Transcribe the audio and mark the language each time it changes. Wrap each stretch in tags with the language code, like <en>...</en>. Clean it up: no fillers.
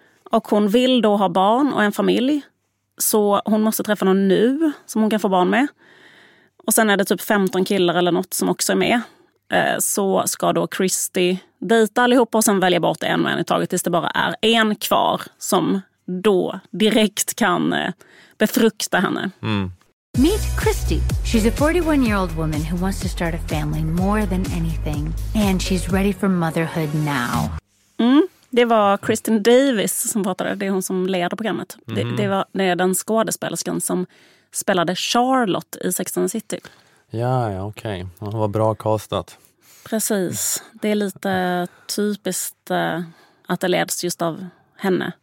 <sv>Och hon vill då ha barn och en familj. Så hon måste träffa någon nu som hon kan få barn med. Och sen är det typ 15 killar eller något som också är med. Så ska då Christy dejta allihopa och sen välja bort en och en i taget tills det bara är en kvar som då direkt kan befrukta henne. Mm.</sv> <en>Meet Christy. She's a 41-year-old woman who wants to start a family more than anything. And she's ready for motherhood now.</en> <sv>Mm, det var Kristen Davis som pratade. Det är hon som leder programmet. Mm. Det var den skådespelerskan som spelade Charlotte i Sex and the City. Ja, ja, okej. Okay. Hon var bra castat. Precis. Det är lite typiskt att det leds just av henne.</sv>